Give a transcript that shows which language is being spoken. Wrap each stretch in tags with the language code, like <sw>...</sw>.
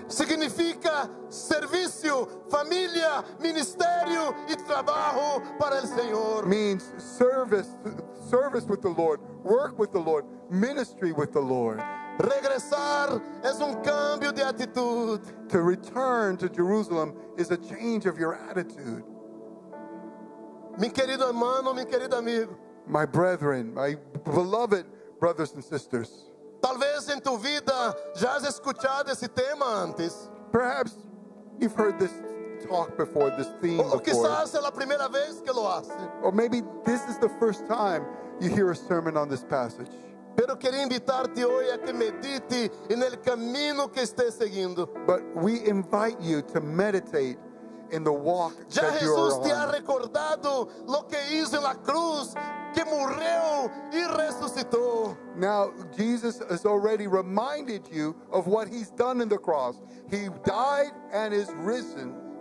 <es>significa servicio, familia, ministerio y trabajo para el Señor.</es> <en>Means service with the Lord, work with the Lord, ministry with the Lord.</en> <es>Regresar es un cambio de actitud.</es> <en>To return to Jerusalem is a change of your attitude. My brethren, my beloved brothers and sisters.</en> <pt>Talvez em tua vida já has escutado esse tema antes.</pt> <en>Perhaps you've heard this talk before, this theme before.</en> <pt>Ou quizás é a primeira vez que lo hace.</pt> <en>Or maybe this is the first time you hear a sermon on this passage.</en> <pt>Pero queria invitar-te hoje a que medite no caminho que esteja seguindo.</pt> <en>But we invite you to meditate in the walk that you are on.</en> <pt>Já Jesus te ha recordado lo que hizo na cruz. Que morreu e ressuscitou.</pt> <en>Now, Jesus has already reminded you of what he's done in the cross. He died and is risen.</en>